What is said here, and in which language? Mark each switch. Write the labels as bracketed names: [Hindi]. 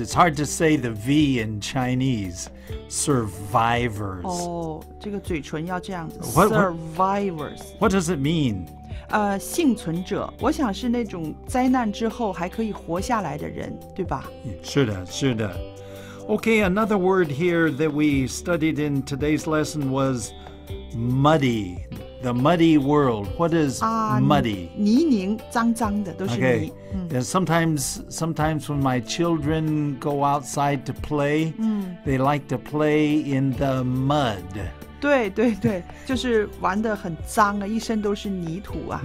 [English] It's hard to say the V in Chinese. Survivors. [Chinese] Oh, 这个嘴唇要这样子. [English] Survivors. What does it mean? [Chinese] 幸存者, 我想是那种灾难之后还可以活下来的人, 对吧? 是的, 是的. [English] Okay, another word here that we studied in today's lesson was muddy. The muddy world. What is muddy? [Chinese] 泥泞,脏脏的,都是泥. [English] Okay. And sometimes when my children go outside to play, they like to play in the mud. [Chinese] 对对对，就是玩得很脏啊，一身都是泥土啊。